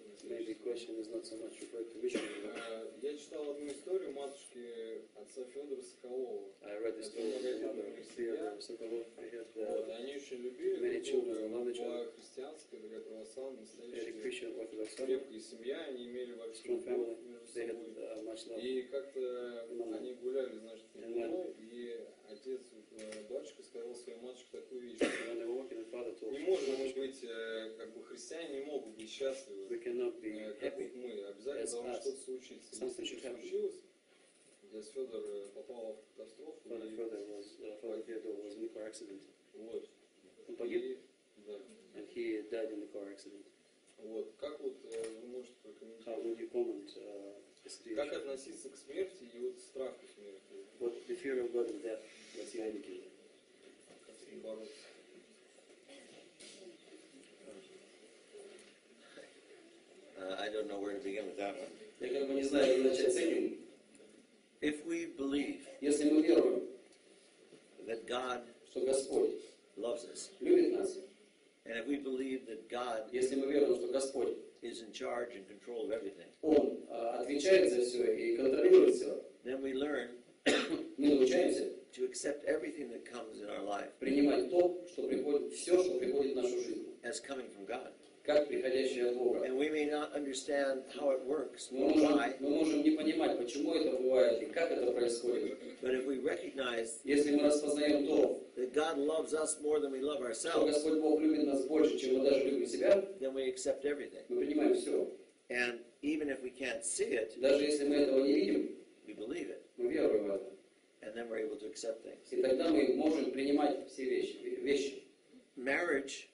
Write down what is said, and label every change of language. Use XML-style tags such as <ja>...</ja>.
<en>Maybe question is not so much referred to missionary.</en> <ru>Я читал одну историю матушки отца Федора Соколова.</ru> <en>I read the story of</en> <ru>Они еще любили была христианская, такая православная, настоящая, крепкая семья, они имели вообще любовь между собой. И как-то они гуляли, значит, и отец, батюшка сказал своей матушке такую вещь. Не можем мы быть, как бы христиане не могут быть счастливы, как мы. Обязательно должно что-то случиться. Если что-то случилось, отец Федор попал в катастрофу.</ru> <en>Father Федор was in a car accident.</en> <ru>Вот. Он погиб? Да.</ru> <en>And he died in a car accident.</en> <ru>Вот. Как вот вы можете прокомментировать?</ru> <en>How would you comment?</en> <ru>Как относиться к смерти и вот страх к смерти?</ru> <en>What the fear of God and death was the indicator?</en> <ru>Как с ним бороться?</ru> <en>I don't know where to begin with that one.</en> <ru>Я как бы не знаю, где начать с этим.</ru> <en>If we believe,</en> <ru>если мы веруем,</ru> <en>that God,</en> <ru>что Господь</ru> <en>loves us,</en> <ru>любит нас,</ru> <en>and if we believe that God,</en> <ru>если мы веруем, что Господь</ru> <en>is in charge and control of everything,</en> <ru>Он отвечает за все и контролирует все,</ru> <en>then we learn,</en> <ru>мы научаемся,</ru> <en>to accept everything that comes in our life,</en> <ru>принимать то, что приходит, все, что приходит в нашу жизнь,</ru> <en>as coming from God,</en> <ru>как приходящее от Бога.</ru> <en>And we may not understand how it works.</en> <ru>Мы можем не понимать, почему это бывает и как это происходит.</ru> <en>But if we recognize,</en> <ru>если мы распознаем то,</ru> <en>that God loves us more than we love ourselves,</en> <ru>что Господь Бог любит нас больше, чем мы даже любим себя,</ru> <en>then we accept everything.</en> <ru>Мы принимаем все.</ru> <en>And even if we can't see it,</en> <ru>даже если мы этого не видим,</ru> <en>we believe it.</en> <ru>Мы веруем в это.</ru> <en>And then we're able to accept things.</en> <ru>И тогда мы можем принимать все вещи.</ru> <en>Marriage,</en>